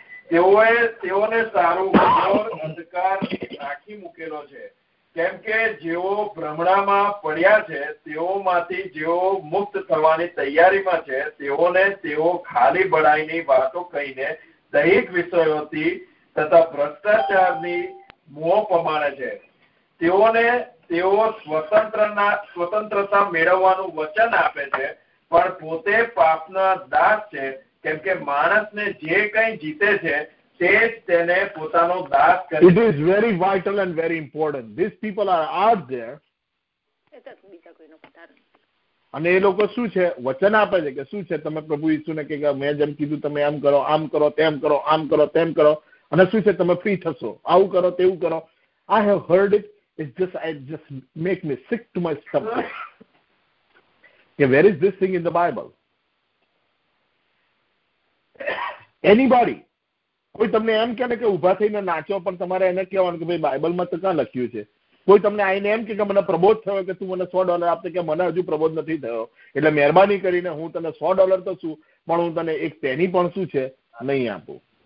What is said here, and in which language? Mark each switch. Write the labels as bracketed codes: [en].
[gu] તેઓને સારું અંધકાર રાખી મૂકેલો છે કેમ કે જેઓ ભ્રમણામાં પડ્યા છે તેઓમાંથી જેઓ મુક્ત થવાની તૈયારીમાં છે તેઓને તેઓ ખાલી બળાઈની વાતો કહીને દૈહિક વિષયોથી તથા ભ્રષ્ટાચારની મોહ પમાડે છે. તેઓને તેઓ સ્વતંત્રતા મેળવવાનું વચન આપે છે પણ પોતે પાપના દાસ છે કેમ કે માણસને જે કંઈ જીતે છે [en] It is very vital and very important. These people are out there. [gu] અને એ લોકો શું છે વચન આપે છે કે શું છે તમે પ્રભુ ઈસુને કે મેં જેમ કીધું તમે આમ કરો આમ કરો તેમ કરો આમ કરો તેમ કરો અને શું છે તમે ફ્રી થશો આવું કરો તેવું કરો. [en] I have heard it. It just make me sick to my stomach. Where is this thing in the Bible? Anybody? [gu] કોઈ તમને એમ કે ને કે ઉભા થઈને નાચો પણ તમારે એને કહેવાનું કે ભાઈ બાઇબલમાં તો ક્યાં લખ્યું છે. કોઈ તમને આઈને એમ કે મને પ્રબોધ થયો કે તું મને $100 આપતો કે મને હજુ પ્રબોધ નથી થયો એટલે મહેરબાની કરીને હું તને $100 તો છું પણ હું તને એક પેની પણ શું છે નહીં આપું.